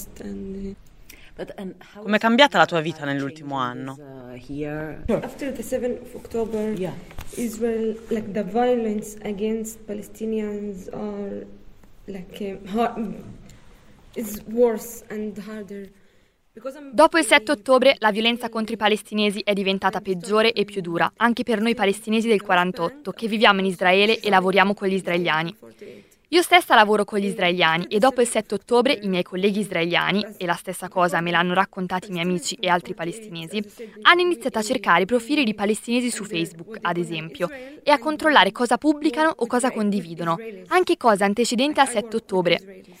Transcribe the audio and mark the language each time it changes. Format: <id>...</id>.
<it>Come è cambiata la tua vita nell'ultimo anno?</it> <en>After the 7th of October, Israel, like the violence against Palestinians are like is worse and harder.</en> <it>Dopo il 7 ottobre la violenza contro i palestinesi è diventata peggiore e più dura, anche per noi palestinesi del 48 che viviamo in Israele e lavoriamo con gli israeliani. Io stessa lavoro con gli israeliani e dopo il 7 ottobre i miei colleghi israeliani, e la stessa cosa me l'hanno raccontato i miei amici e altri palestinesi, hanno iniziato a cercare profili di palestinesi su Facebook, ad esempio, e a controllare cosa pubblicano o cosa condividono, anche cose antecedenti al 7 ottobre.</it>